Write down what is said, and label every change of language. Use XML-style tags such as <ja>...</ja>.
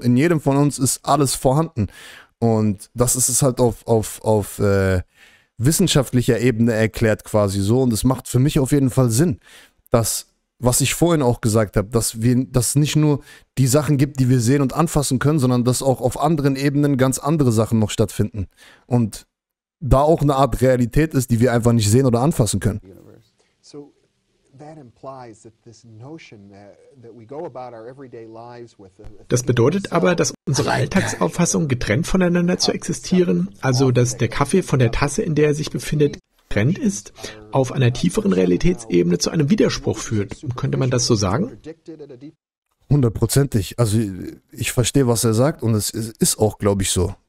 <de>In jedem von uns ist alles vorhanden. Und das ist es halt auf wissenschaftlicher Ebene erklärt quasi so, und es macht für mich auf jeden Fall Sinn, dass, was ich vorhin auch gesagt habe, dass es nicht nur die Sachen gibt, die wir sehen und anfassen können, sondern dass auch auf anderen Ebenen ganz andere Sachen noch stattfinden und da auch eine Art Realität ist, die wir einfach nicht sehen oder anfassen können.</de> <en>So, that implies that this notion that we go about our everyday lives with.</en> <de>Das bedeutet aber, dass unsere Alltagsauffassung getrennt voneinander zu existieren, also dass der Kaffee von der Tasse, in der er sich befindet, getrennt ist, auf einer tieferen Realitätsebene zu einem Widerspruch führt. Könnte man das so sagen? Hundertprozentig. Also ich verstehe, was er sagt, und es ist auch, glaube ich, so.</de>